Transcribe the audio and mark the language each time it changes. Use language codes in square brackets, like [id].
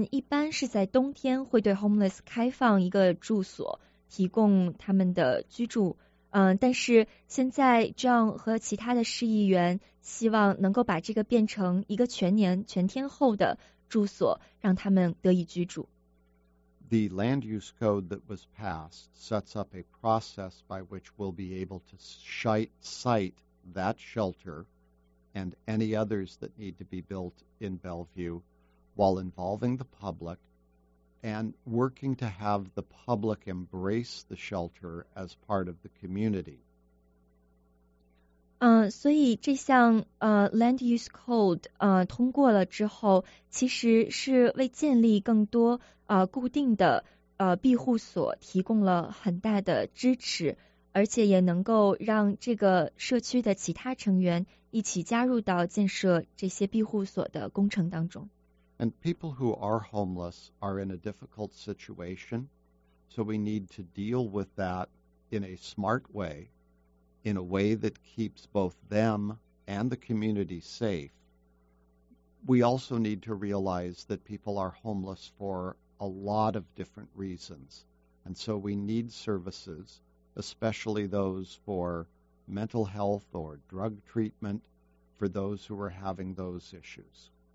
[zh] 他们一般是在冬天会对 homeless 开放一个住所，提供他们的居住。但是现在John和其他的市议员希望能够把这个变成一个全年全天候的住所，让他们得以居住。 [en] The land use code that was passed sets up a process by which we'll be able to site that shelter and any others that need to be built in Bellevue, while involving the public and working to have the public embrace the shelter as part of the community. [zh] 所以这项land use code通过了之后，其实是为建立更多固定的庇护所提供了很大的支持，而且也能够让这个社区的其他成员一起加入到建设这些庇护所的工程当中。 [en] And people who are homeless are in a difficult situation, so we need to deal with that in a smart way, in a way that keeps both them and the community safe. We also need to realize that people are homeless for a lot of different reasons, and so we need services, especially those for mental health or drug treatment, for those who are having those issues.